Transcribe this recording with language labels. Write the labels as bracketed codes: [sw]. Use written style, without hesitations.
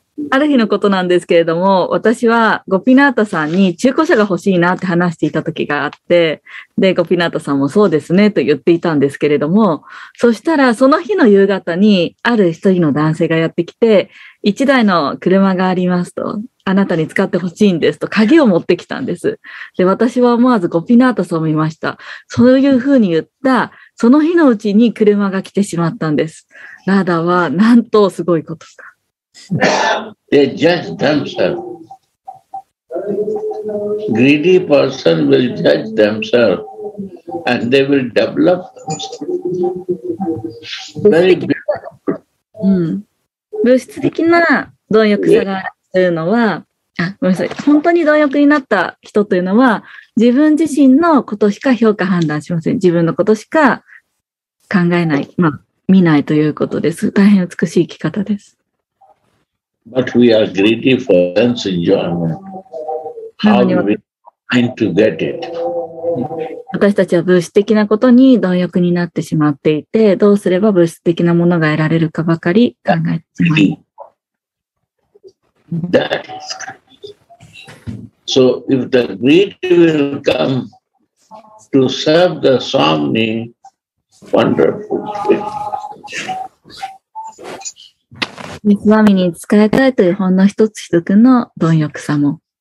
[ja] ある日のことなんですけれども、私はゴピナータさんに中古車が欲しいなって話していた時があって、で、ゴピナータさんもそうですねと言っていたんですけれども、そしたらその日の夕方にある一人の男性がやってきて、一台の車がありますと、あなたに使ってほしいんですと鍵を持ってきたんです。で、私は思わずゴピナータさんを見ました。そういうふうに言った、その日のうちに車が来てしまったんです。ラーダはなんとすごいことか。 [en] They judge themselves. Greedy person will judge themselves and they will develop very beautiful. [ja] 物質的な貪欲さがあるというのは、本当に貪欲になった人というのは自分自身のことしか評価判断しません。自分のことしか考えない、まあ、見ないということです。大変美しい生き方です。 [en] But we are greedy for sense enjoyment. How are we trying to get it? [ja] 私たちは物質的なことに貪欲になってしまっていて、どうすれば物質的なものが得られるかばかり考えています。 [en] That is so. If the greed will come to serve the Swami, wonderful thing. [ja] スワミに使いたいというほんの一つ一つの貪欲さも。